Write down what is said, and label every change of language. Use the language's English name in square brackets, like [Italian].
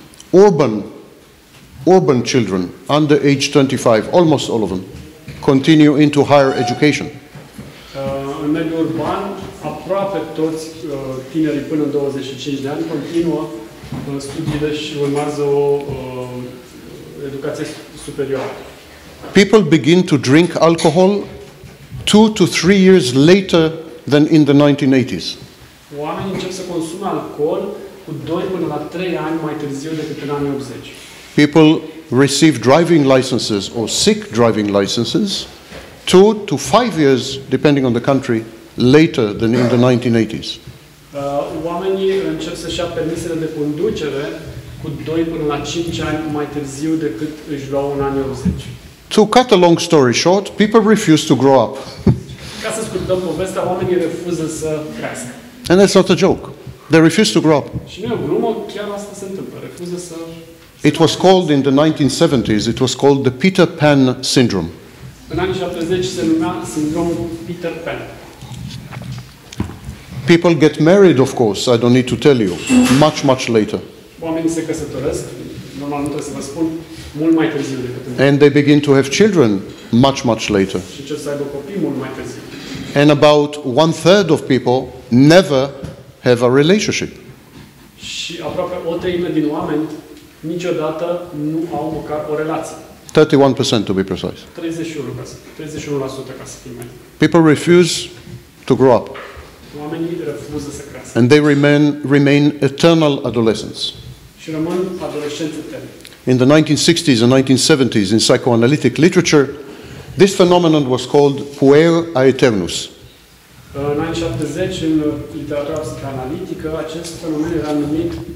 [English] All urban children under age 25, almost all of them, continue into higher education. [Romanian] În mediul urban, aproape toți tinerii până în 25 de ani continuă studiile și urmează o educație superioară. [English] People begin to drink alcohol 2 to 3 years later than in the 1980s. [Romanian] Oamenii încep să consume alcool cu 2 până la 3 ani mai târziu decât în anii 80. [English] People receive driving licenses or seek driving licenses 2 to 5 years, depending on the country, later than in the 1980s. [Romanian] Oamenii încep să-și ia permisele de conducere cu 2 până la 5 ani mai târziu decât își luau în anii 80. [English] To cut a long story short, people refuse to grow up. [Romanian] Ca să scurtăm povestea, oamenii refuză să crească. [English] And that's not a joke. They refuse to grow up. [Romanian] Și nu e o glumă, chiar asta se întâmplă. Refuză să... [English] It was called in the 1970s, it was called the Peter Pan syndrome. [Romanian] În anii 70 se numea sindromul Peter Pan. [English] People get married, of course, I don't need to tell you, much, much later. [Romanian] Oamenii se căsătoresc, normal nu trebuie să vă spun, mult mai târziu decât în timp. [English] And they begin to have children, much, much later. [Romanian] Și încep să aibă copii mult mai târziu. [English] And about one third of people never have a relationship. [Romanian] Și aproape o treime din oameni niciodată nu au măcar o relație. [English] 31% to be precise. [Romanian] 31% ca să fim mai. [English] People refuse to grow up. [Romanian] Oamenii refuză să crească. [English] And they remain eternal adolescents. [Romanian] Și rămân adolescenți eterni. [English] In the 1960s and 1970s in psychoanalytic literature, this phenomenon was called puer aeternus. [Romanian] În anii 70 în literatura psychoanalytică acest fenomen era numit